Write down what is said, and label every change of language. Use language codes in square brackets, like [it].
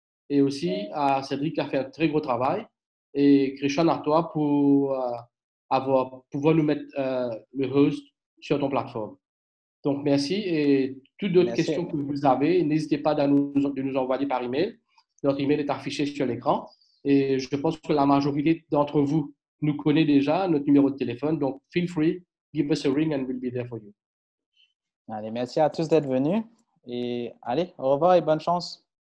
[fr] Et aussi à Cédric qui a fait un très gros travail. Et Christian Artois pour pouvoir nous mettre le host sur ton plateforme. Donc, merci. Et toutes d'autres questions que vous avez, n'hésitez pas de nous envoyer par email. Notre email est affiché sur l'écran. Et je pense que la majorité d'entre vous nous connaît déjà, notre numéro de téléphone. [en] Donc, feel free, give us a ring and we'll be there for you. [fr] Allez, merci à tous d'être venus. Et allez, au revoir et bonne chance.